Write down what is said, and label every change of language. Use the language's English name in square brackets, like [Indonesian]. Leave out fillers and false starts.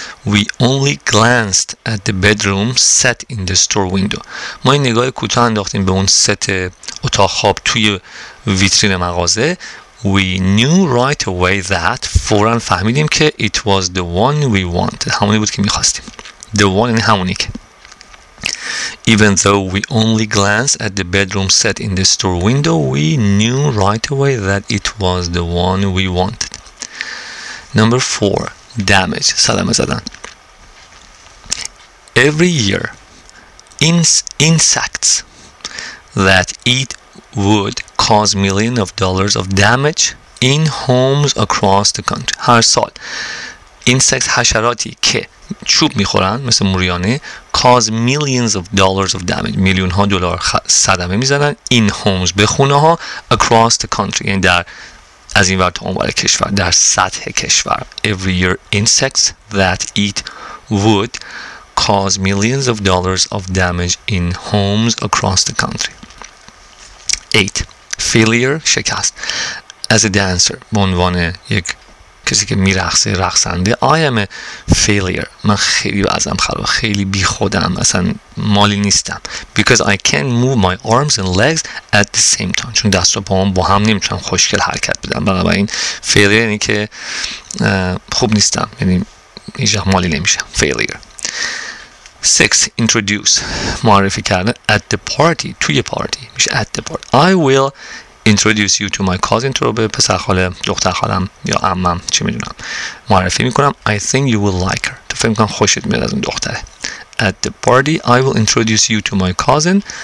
[English] We only glanced at the bedroom set in the store window. [Persian] ما این نگاه کوتاه انداختیم به اون ست اتاق خواب توی ویترین مغازه. [English] We knew right away that, [Persian] فوراً فهمیدیم که [English] it was the one we wanted. [Persian] همونی بود که میخواستیم. [English] The one [Persian] یعنی همونی که. [English] Even though we only glanced at the bedroom set in the store window, we knew right away that it was the one we wanted. Number four. Damage, [Persian] صدمه زدن. [English] Every year, insects that eat wood cause millions of dollars of damage in homes across the country. [Persian] هر سال insects, حشراتی که چوب میخورن مثل موریانه, [English] cause millions of dollars of damage, [Persian] میلیون ها دلار صدمه میزنن, [English] in homes, [Persian] به خونه ها, [English] across the country, [Persian] یعنی در از این ور تا اون ور کشور, در سطح کشور. [English] Every year insects that eat wood cause millions of dollars of damage in homes across the country. 8. Failure, [Persian] شکست. [English] As a dancer, [Persian] به عنوان یک کسی که میرقصه, رقصنده, [English] I am a failure. [Persian] من خیلی بازم خرابه, خیلی بی خودم, اصلا مالی نیستم. [English] Because I can't move my arms and legs at the same time. [Persian] چون دست و پاهم با هم نمیتونم خوشگل حرکت بدم. بنابراین failure یعنی که خوب نیستم. یعنی هیچ مالی نمیشم. [English] Failure. 6. Introduce. [Persian] معرفی کردن. [English] At the party. [Persian] توی party. میشه [English] at the party. I will introduce you to my cousin. [Persian] تو رو به پسر خاله, دختر خالم یا عمم, چه میدونم, معرفی میکنم. [English] I think you will like her. [Persian] تو فکر میکنم خوشت میاد از اون دختره. [English] At the party, I will introduce you to my cousin.